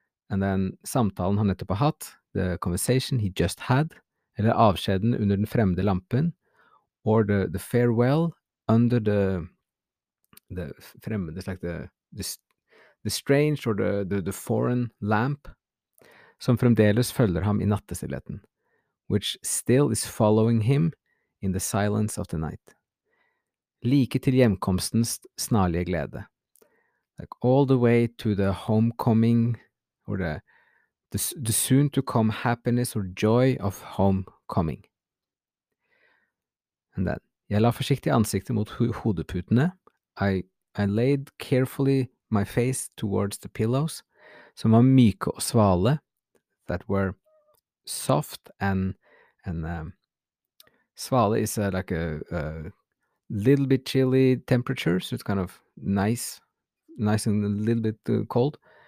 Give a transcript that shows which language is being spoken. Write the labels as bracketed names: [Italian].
[English] And then [Norwegian] samtalen han nettopp hatt, [English] the conversation he just had, [Norwegian] eller avskeden under den fremmede lampen, [English] or the farewell under the fremmede, like the strange or the foreign lamp, [Norwegian] som fremdeles følger ham I nattestillheten, [English] which still is following him. In the silence of the night. Like [Norwegian] til hjemkomstens snarlige glede. [English] Like all the way to the homecoming or the soon to come happiness or joy of homecoming. [Norwegian] And then, jeg la forsiktig ansiktet mot hodeputene. I [English] I laid carefully my face towards the pillows, [Norwegian] som var myke og svale, [English] that were soft and svale is like a little bit chilly temperature, so it's kind of nice and a little bit cold.